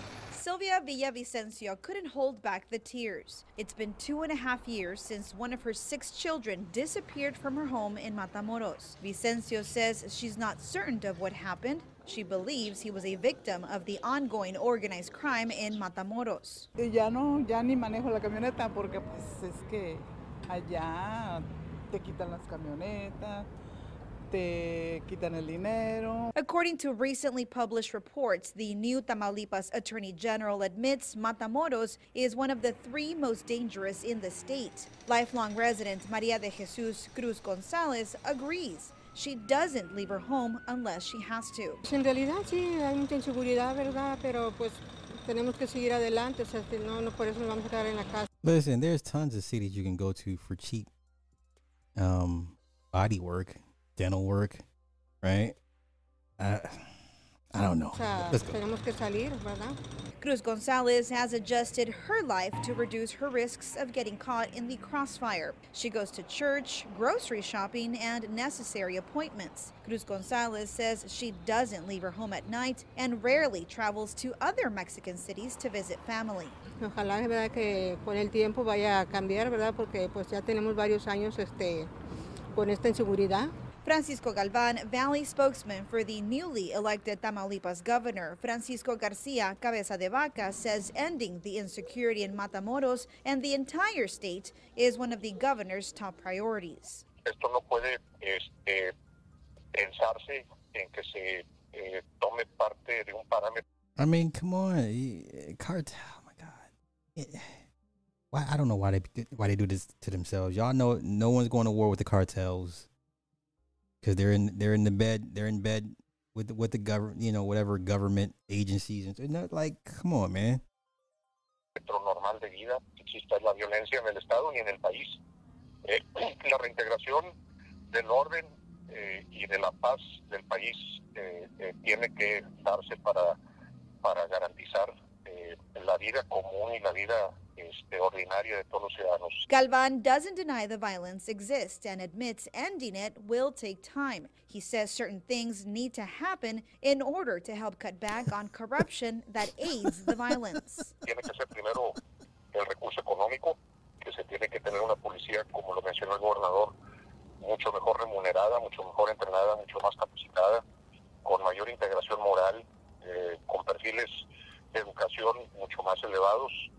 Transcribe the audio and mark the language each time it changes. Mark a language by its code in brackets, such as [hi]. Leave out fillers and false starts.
[en] Sylvia Villavicencio couldn't hold back the tears. It's been 2.5 years since one of her six children disappeared from her home in Matamoros. Vicencio says she's not certain of what happened, She believes he was a victim of the ongoing organized crime in Matamoros. [es] Ya no, ya ni manejo la camioneta porque pues es que allá te quitan las camionetas. [en] According to recently published reports, the new Tamaulipas Attorney General admits Matamoros is one of the three most dangerous in the state. Lifelong resident Maria de Jesus Cruz Gonzalez agrees. She doesn't leave her home unless she has to. [es] En realidad, sí, hay mucha inseguridad, ¿verdad? Pero pues tenemos que seguir adelante. O sea, si no, no por eso nos vamos a quedar en la casa. [en] Listen, there's tons of cities you can go to for cheap body work. Dental work, right? I don't know. [es] Tenemos que salir, ¿verdad? [en] Cruz Gonzalez has adjusted her life to reduce her risks of getting caught in the crossfire. She goes to church, grocery shopping, and necessary appointments. Cruz Gonzalez says she doesn't leave her home at night and rarely travels to other Mexican cities to visit family. [es] Ojalá, ¿verdad?, que con el tiempo vaya a cambiar, ¿verdad? Porque pues ya tenemos varios años con esta inseguridad. [en] Francisco Galván, Valley spokesman for the newly elected Tamaulipas governor, Francisco García Cabeza de Vaca, says ending the insecurity in Matamoros and the entire state is one of the governor's top priorities. [es] Esto no puede pensarse en que se tome parte de un parámetro. [en] I mean, come on, cartel, oh my God. Why, I don't know why they do this to themselves. Y'all know no one's going to war with the cartels. Because they're in bed with the government, you know, whatever government agencies. And they're not like, come on, man. [es] Normal de vida, existe la violencia en el estado y en el país. La reintegración del orden y de la paz del país tiene que darse para garantizar la vida común y la vida ordinaria de todos los ciudadanos. [en] Galván doesn't deny the violence exists and admits ending it will take time. He says certain things need to happen in order to help cut back on corruption that aids the violence. [es] Tiene que ser primero el recurso económico, que se tiene que tener una policía, como lo mencionó el gobernador, mucho mejor remunerada, mucho mejor entrenada, mucho más capacitada, con mayor integración moral, con perfiles de educación mucho más elevados.